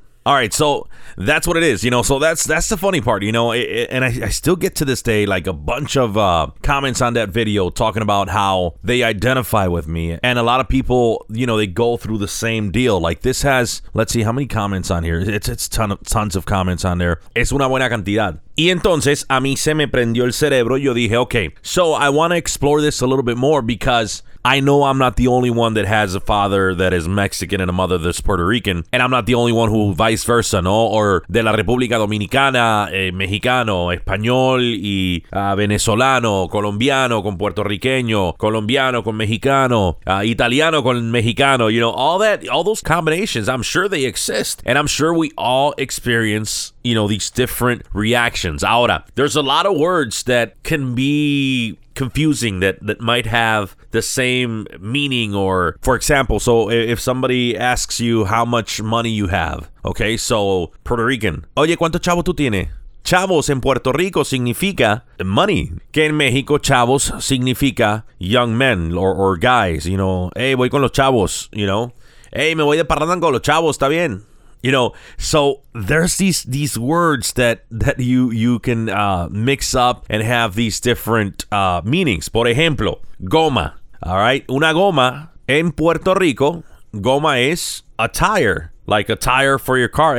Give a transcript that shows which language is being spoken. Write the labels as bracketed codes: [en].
[en] All right, so that's what it is, you know. So that's the funny part, you know. I still get to this day like a bunch of comments on that video talking about how they identify with me, and a lot of people, you know, they go through the same deal. Like this has, let's see, how many comments on here? It's tons of comments on there. [es] Es una buena cantidad. Y entonces a mí se me prendió el cerebro. Yo dije, [en] okay, so I want to explore this a little bit more because I know I'm not the only one that has a father that is Mexican and a mother that's Puerto Rican. And I'm not the only one who vice versa, no? [es] Or de la República Dominicana, Mexicano, Español y Venezolano, Colombiano con Puertorriqueño, Colombiano con Mexicano, Italiano con Mexicano. [en] You know, all those combinations, I'm sure they exist. And I'm sure we all experience, you know, these different reactions. Ahora, there's a lot of words that can be confusing that might have the same meaning. Or for example, so if somebody asks you how much money you have, okay, so Puerto Rican, [es] oye, ¿cuánto chavo tú tienes? Chavos en Puerto Rico significa money. Que en México, chavos significa [en] young men or guys, you know. [es] Hey, voy con los chavos, [en] you know. [es] Hey, me voy de parranda con los chavos, está bien. [en] You know, so there's these words that you can mix up and have these different meanings. [es] Por ejemplo, goma. [en] All right. [es] Una goma en Puerto Rico. [en] Goma es a tire, like a tire for your car.